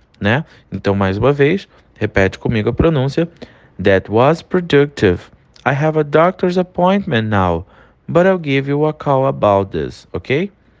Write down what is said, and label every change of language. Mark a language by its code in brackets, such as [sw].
[pt] Né? Então, mais uma vez, repete comigo a pronúncia. [en] That was productive. I have a doctor's appointment now, but I'll give you a call about this, ok?